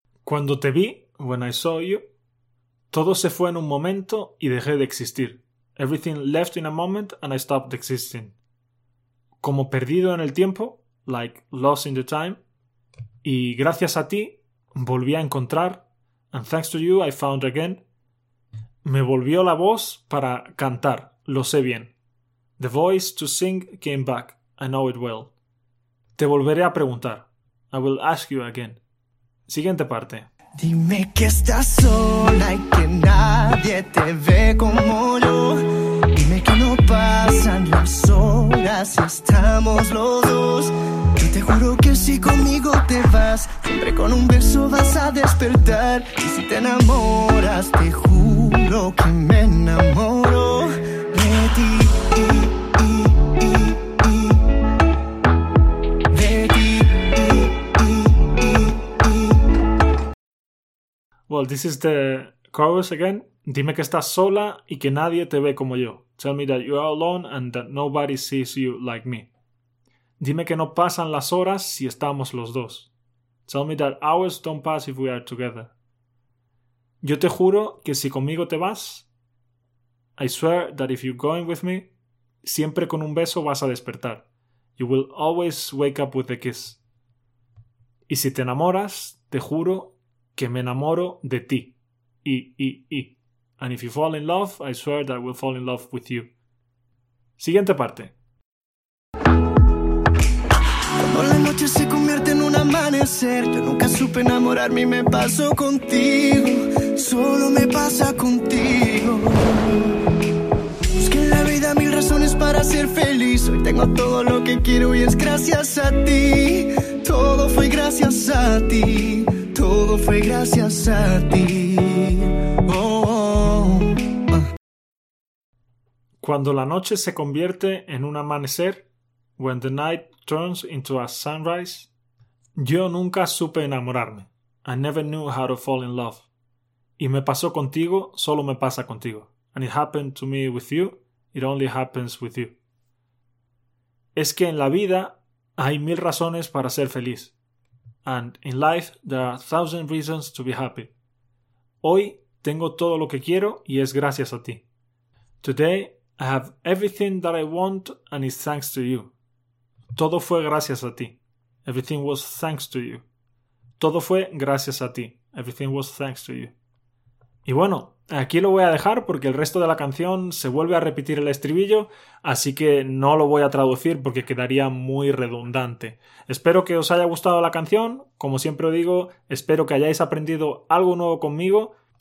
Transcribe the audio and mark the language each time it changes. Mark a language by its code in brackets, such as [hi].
[es] Cuando te vi, [en] when I saw you, [es] todo se fue en un momento y dejé de existir. [en] Everything left in a moment and I stopped existing. [es] Como perdido en el tiempo, [en] like lost in the time, [es] y gracias a ti, volví a encontrar, [en] and thanks to you, I found again, [es] me volvió la voz para cantar, lo sé bien. [en] The voice to sing came back, I know it well. [es] Te volveré a preguntar. [en] I will ask you again. [es] Siguiente parte. Dime que estás sola y que nadie te ve como yo. Dime que no pasan las horas y estamos los dos. Yo te juro que si conmigo te vas, siempre con un beso vas a despertar. Y si te enamoras, te juro que me enamoro de ti. [en] Well, this is the chorus again. [es] Dime que estás sola y que nadie te ve como yo. [en] Tell me that you are alone and that nobody sees you like me. [es] Dime que no pasan las horas si estamos los dos. [en] Tell me that hours don't pass if we are together. [es] Yo te juro que si conmigo te vas, [en] I swear that if you're going with me, [es] siempre con un beso vas a despertar. [en] You will always wake up with a kiss. [es] Y si te enamoras, te juro que me enamoro de ti. E. [en] And if you fall in love, I swear that I will fall in love with you. [es] Siguiente parte. Cuando la noche se convierte en un amanecer, yo nunca supe enamorarme y me paso contigo. Solo me pasa contigo. Busqué en la vida mil razones para ser feliz. Hoy tengo todo lo que quiero y es gracias a ti. Todo fue gracias a ti. Todo fue gracias a ti. Oh, oh, oh. Cuando la noche se convierte en un amanecer, [en] when the night turns into a sunrise, [es] yo nunca supe enamorarme. [en] I never knew how to fall in love. [es] Y me pasó contigo, solo me pasa contigo. [en] And it happened to me with you, it only happens with you. [es] Es que en la vida hay mil razones para ser feliz. [en] and in life there are 1,000 reasons to be happy. [es] Hoy tengo todo lo que quiero y es gracias a ti. [en] Today I have everything that I want and it's thanks to you. [es] Todo fue gracias a ti. [en] Everything was thanks to you. [es] Todo fue gracias a ti. [en] Everything was thanks to you. [es] Y bueno, aquí lo voy a dejar porque el resto de la canción se vuelve a repetir el estribillo, así que no lo voy a traducir porque quedaría muy redundante. Espero que os haya gustado la canción. Como siempre digo, espero que hayáis aprendido algo nuevo conmigo.